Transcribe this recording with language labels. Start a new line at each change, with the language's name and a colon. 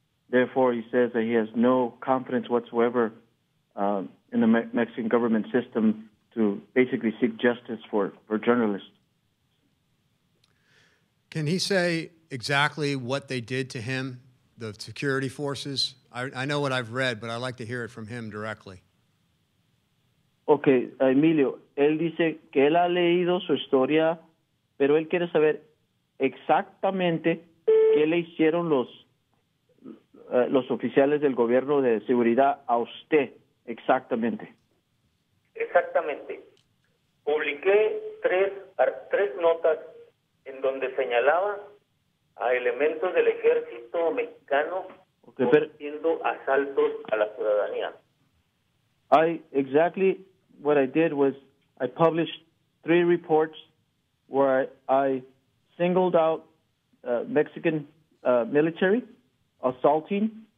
English: Therefore, he says that he has no confidence whatsoever in the Mexican government system to basically seek justice for journalists. Can he say exactly what they did to him, the security forces? I know what I've read, but I'd like to hear it from him directly.
Spanish: Okay, Emilio, él dice que él ha leído su historia, pero él quiere saber exactamente qué le hicieron los oficiales del gobierno de seguridad a usted, exactamente. Exactamente. Publiqué tres notas en donde señalaba a elementos del ejército mexicano haciendo asaltos a la ciudadanía.
English: I exactly what I did was I published three reports where I singled out Mexican military assaulting.